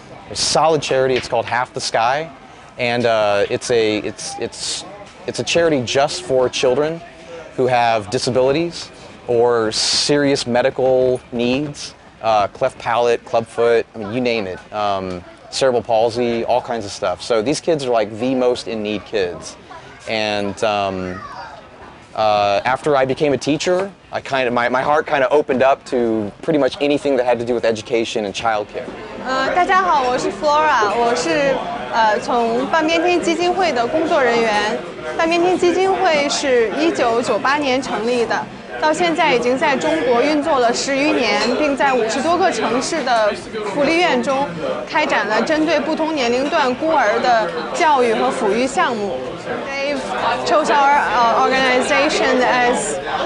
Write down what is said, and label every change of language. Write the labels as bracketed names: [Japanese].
[English] A solid charity, it's called Half the Sky, and it's a charity just for children who have disabilities or serious medical needs, cleft palate, club foot, I mean, you name it, cerebral palsy, all kinds of stuff. So these kids are like the most in need kids. And after I became a teacher, my heart kind of opened up to pretty much anything that had to do with education and childcare. [Chinese] 大家好，我是Flora， 我是半边天基金会的工作人员。半边天基金会是1998年成立的。到现在已经在中国运作了10余年，并在50多个城市的福利院中开展了针对不同年龄段孤儿的教育和抚育项目。 [English] Dave chose our organization as